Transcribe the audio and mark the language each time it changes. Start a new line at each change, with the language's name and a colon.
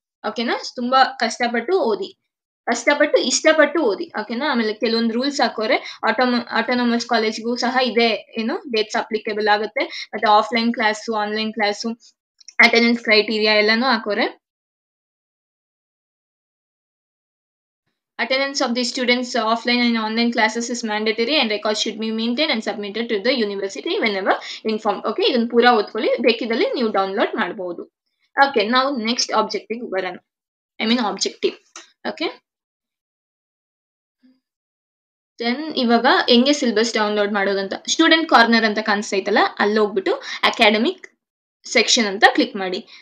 Kannada: ಓಕೆನಾ, ತುಂಬಾ ಕಷ್ಟಪಟ್ಟು ಓದಿ, ಕಷ್ಟಪಟ್ಟು ಇಷ್ಟಪಟ್ಟು ಓದಿ. ಓಕೆನಾ, ಆಮೇಲೆ ಕೆಲವೊಂದು ರೂಲ್ಸ್ ಹಾಕೋರೆ ಆಟೋನಮಸ್ ಕಾಲೇಜ್ಗೂ ಸಹ ಇದೆ ಏನು ಡೇಟ್ಸ್ ಅಪ್ಲಿಕೇಬಲ್ ಆಗುತ್ತೆ. ಮತ್ತೆ offline class online class attendance criteria ಎಲ್ಲಾನು ಹಾಕೋರೆ.
English: Attendance of the students offline and online classes is mandatory and records should be maintained and submitted to the university whenever informed.
Kannada: Okay, ಇದನ್ನ ಪೂರ ಓದ್ಕೊಳ್ಳಿ, ಬೇಕಿದ್ದಲ್ಲಿ ನೀವು download ಮಾಡಬಹುದು. Okay, ನಾವು next ಆಬ್ಜೆಕ್ಟಿಗೆ ಬರೋಣ, I mean objective. Okay, then ಇವಾಗ ಹೆಂಗೆ syllabus download ಮಾಡೋದಂತ, ಸ್ಟೂಡೆಂಟ್ ಕಾರ್ನರ್ ಅಂತ ಕಾಣಿಸ್ತೈತಲ್ಲ ಅಲ್ಲಿ ಹೋಗ್ಬಿಟ್ಟು ಅಕಾಡೆಮಿಕ್ ಸೆಕ್ಷನ್ ಅಂತ ಕ್ಲಿಕ್ ಮಾಡಿ.